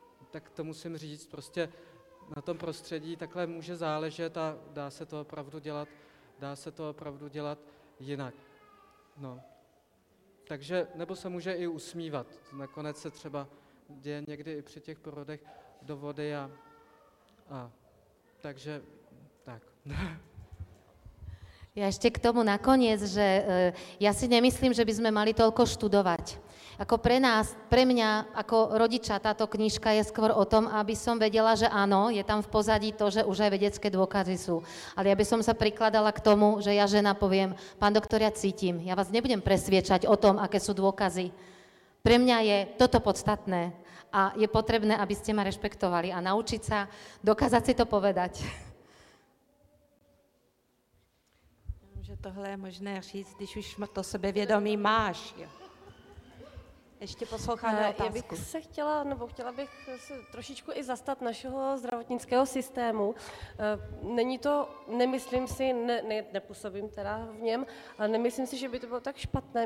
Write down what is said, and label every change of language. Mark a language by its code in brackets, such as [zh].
[cs] Tak to musím říct, prostě na tom prostředí takhle může záležet a dá se to opravdu dělat jinak. No. Takže, nebo se může i usmívat. Nakonec se třeba děje někdy i při těch porodech do vody takže tak. [sk] Ja ešte k tomu nakoniec, že ja si nemyslím, že by sme mali toľko študovať. Ako pre nás, pre mňa ako rodiča táto knižka je skôr o tom, aby som vedela, že áno, je tam v pozadí to, že už aj vedecké dôkazy sú. Ale ja by som sa prikladala k tomu, že ja žena poviem, pán doktor, ja cítim, ja vás nebudem presviečať o tom, aké sú dôkazy. Pre mňa je toto podstatné. A je potrebné, aby ste ma rešpektovali a naučiť sa, dokázať si to povedať. [cs] Že tohle je možné říct, když už to sebevědomí máš. Ještě posloucháme otázku. Já bych se chtěla, nebo chtěla bych se trošičku i zastat našeho zdravotnického systému. Není to, nemyslím si, nepůsobím teda v něm, ale nemyslím si, že by to bylo tak špatné.